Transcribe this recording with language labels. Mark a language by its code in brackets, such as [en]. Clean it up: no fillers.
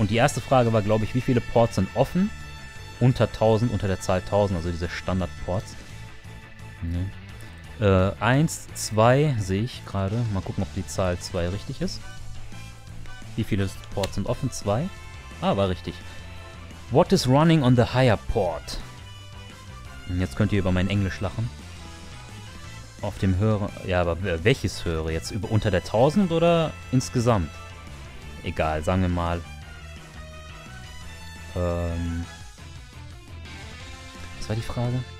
[de] Und die erste Frage war, glaube ich, wie viele Ports sind offen? Unter 1000, unter der Zahl 1000, also diese Standard-Ports. Ne? 1, 2 sehe ich gerade. Mal gucken, ob die Zahl 2 richtig ist. Wie viele Ports sind offen? 2? Ah, war richtig. [en] What is running on the higher port? [de] Jetzt könnt ihr über mein Englisch lachen. Auf dem höhere... Ja, aber welches höhere? Jetzt über unter der 1000 oder insgesamt? Egal, sagen wir mal. Was war die Frage?